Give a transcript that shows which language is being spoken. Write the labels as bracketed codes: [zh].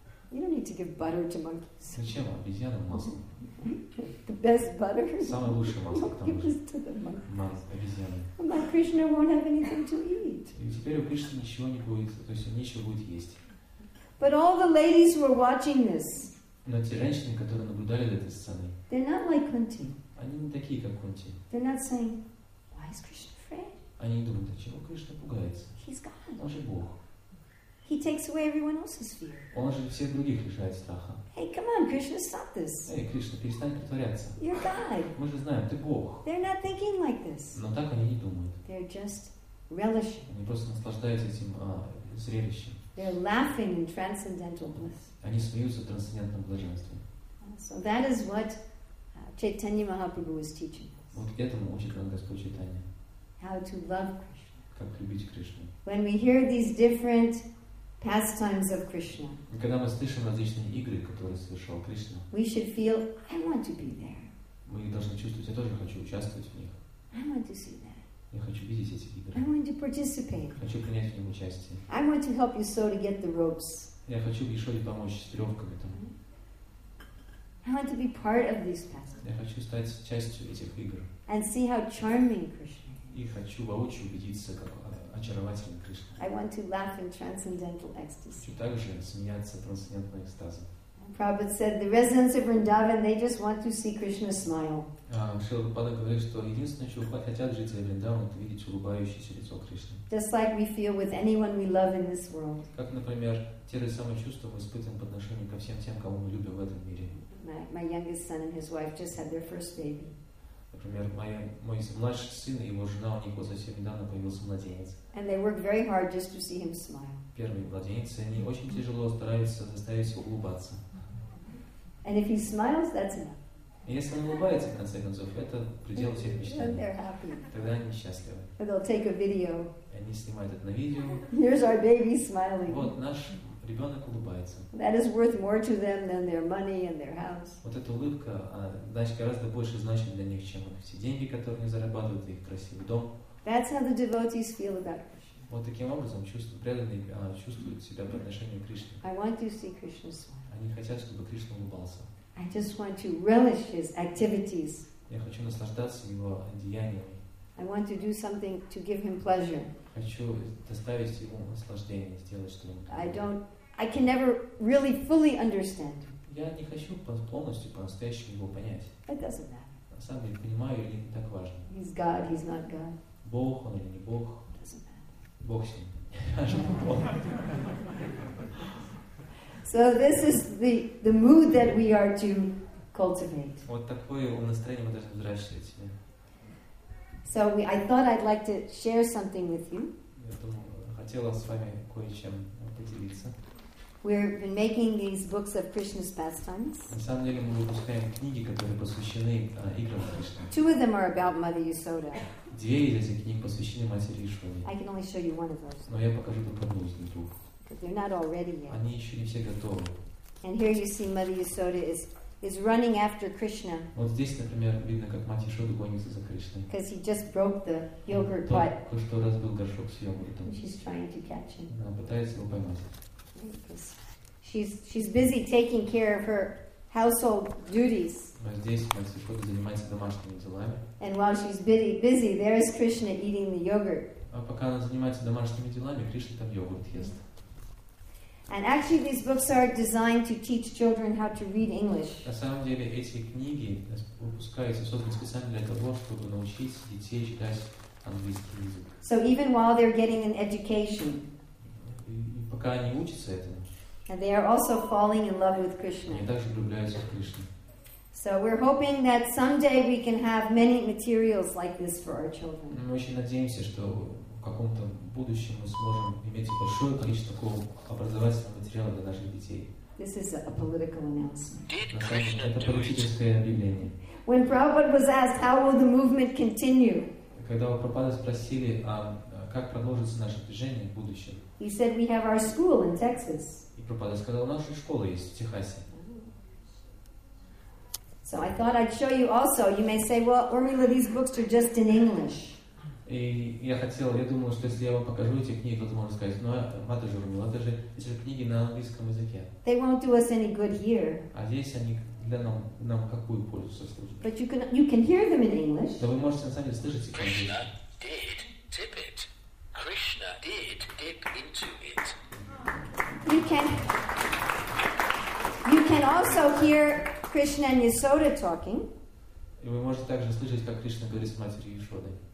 [en] You don't need to give butter to monkeys. [ru] Зачем обезьянам масло? [en] The best butter. [ru] Самое лучшее масло. [en] Give it to the monkeys. [ru] Обезьянам. [en] And now Krishna won't have anything to eat. [ru] И теперь у Кришны ничего не будет, то есть он ничего будет есть. [en] But all the ladies were watching this. [ru] Но те женщины, которые наблюдали за этой сценой, [en] they're not like Kunti. [ru] Они не такие, как Кунти. [en] They're not saying, why is Krishna afraid? [ru] Они не думают, а чего Кришна пугается? [en] He's God. [ru] Он же Бог. [en] He takes away everyone else's fear. [ru] Он же всех других лишает страха. [en] Hey, come on, Krishna, stop this. [ru] Эй, Кришна, перестань притворяться. [en] You're God. [ru] Мы же знаем, ты Бог. [en] They're not thinking like this. [ru] Но так они не думают. [en] They're just relishing. [ru] Они просто наслаждаются этим зрелищем. [en] They're laughing in transcendental bliss. [ru] Они смеются в трансцендентном блаженстве. [en] So that is what Chaitanya Mahaprabhu was teaching us. [ru] Вот этому учит нам Господь Чайтанья. [en] How to love Krishna. [ru] Как любить Кришну. [en] When we hear these different pastimes of Krishna. [ru] Когда мы слышим различные игры, которые совершал Кришна. [en] We should feel, I want to be there. [ru] Мы должны чувствовать, я тоже хочу участвовать в них. [en] I want to see that. [ru] Я хочу видеть эти игры. [en] I want to participate. [ru] Хочу принять в нем участие. [en] I want to help Yashoda get the ropes. [ru] Я хочу Yashoda помочь с веревками там. [en] I want to be part of these pastimes. [ru] Я хочу стать частью этих игр. [en] And see how charming Krishna is. [ru] И хочу воочию убедиться, как очарователен Кришна. [en] I want to laugh in transcendental ecstasy. [ru] Хочу также смеяться в трансцендентном экстазе. [en] Prabhupada said the residents of Vrindavan they just want to see Krishna smile. [ru] Шрила говорит, что единственное, чего хотят жители Вриндавана, это видеть улыбающееся лицо Кришны. [en] Just like we feel with anyone we love in this world. [ru] Как, например, те же самые чувства мы испытываем по отношению ко всем тем, кого мы любим в этом мире. [en] My youngest son and his wife just had their first baby. [ru] Например, мой младший сын и его жена, у них вот совсем недавно появился младенец. [en] And they work very hard just to see him smile. [ru] Первые младенцы, они очень тяжело стараются заставить его улыбаться. [en] And if he smiles, that's enough. [ru] Если он улыбается, в конце концов, это предел всех мечтаний. [en] They're happy. [ru] Тогда они счастливы. [en] And they'll take a video. [ru] Они снимают это на видео. [en] Here's our baby smiling. [ru] Вот наш ребенок улыбается. [en] That is worth more to them than their money and their house. [ru] Вот эта улыбка, значит, гораздо больше значит для них, чем все деньги, которые они зарабатывают, их красивый дом. [en] That's how the devotees feel about Krishna. [ru] Вот таким образом преданные чувствуют себя по отношению к Кришне. [en] I want to see Krishna smile. [ru] Они хотят, чтобы Кришна улыбался. [en] I just want to relish his activities. [ru] Я хочу наслаждаться его деяниями. [en] I want to do something to give him pleasure. [ru] Хочу доставить ему наслаждение, сделать что-то. [en] I can never really fully understand. [ru] Я не хочу полностью по-настоящему его понять. [en] It doesn't matter. [ru] На самом деле, понимаю или не так важно. [en] He's God, he's not God. [ru] Бог он или не Бог. [en] It doesn't matter. [ru] Бог с ним. [en] So this is the mood that we are to cultivate. [ru] Вот такое настроение мы должны взращивать. [en] So I thought I'd like to share something with you. [ru] Я думаю, хотела с вами кое-чем поделиться. [en] We've been making these books of Krishna's pastimes. [ru] На самом деле мы выпускаем книги, которые посвящены играм Кришны. [en] Two of them are about Mother Yashoda. [ru] Две из этих книг посвящены матери Яшоде. [en] I can only show you one of those. [ru] Но я покажу только одну из них. [en] They're not all ready yet. [ru] Они еще не все готовы. [en] And here you see Mother Yashoda is running after Krishna. [ru] Вот здесь, например, видно, как мать Яшоды гонится за Кришной. [en] Because he just broke the yogurt pot. [ru] Только что разбил горшок с йогуртом. [en] She's trying to catch him. [ru] Она пытается его поймать. [en] She's busy taking care of her household duties. [ru] Но здесь мать Яшода занимается домашними делами. [en] And while she's busy, there is Krishna eating the yogurt. [ru] А пока она занимается домашними делами, Кришна там йогурт ест. [en] And actually, these books are designed to teach children how to read English. [ru] На самом деле, эти книги выпускаются, созданы специально для того, чтобы научить детей читать английский язык. [en] So even while they're getting an education, [ru] и пока они учатся этому, [en] and they are also falling in love with Krishna. [ru] Они также влюбляются в Кришну. [en] So we're hoping that someday we can have many materials like this for our children. [ru] Мы очень надеемся, что в каком-то будущем мы сможем иметь большое количество такого образовательного материала для наших детей. [en] This is a political announcement. [ru] Это политическое объявление. [en] When Prabhupada was asked, how will the movement continue? [ru] Когда у Прабхупады спросили, а как продолжится наше движение в будущем? [en] He said, we have our school in Texas. [ru] И Прабхупада сказал, наша школа есть в Техасе. [en] So I thought I'd show you also. You may say, well, Urmila, these books are just in English. [ru] И я хотел, я думал, что если я вам покажу эти книги, кто-то может сказать, ну, Матаджи Урмила, это же книги на английском языке. [en] They won't do us any good here. [ru] А здесь они для нам, нам какую пользу сослужат? [en] But you can hear them in English. [ru] Да вы можете на самом деле слышать их. [en] Krishna did tip it. Krishna did dip into it. You can also hear Krishna and Yashoda talking. [ru] И вы можете также слышать, как Кришна говорит с матерью Яшодой.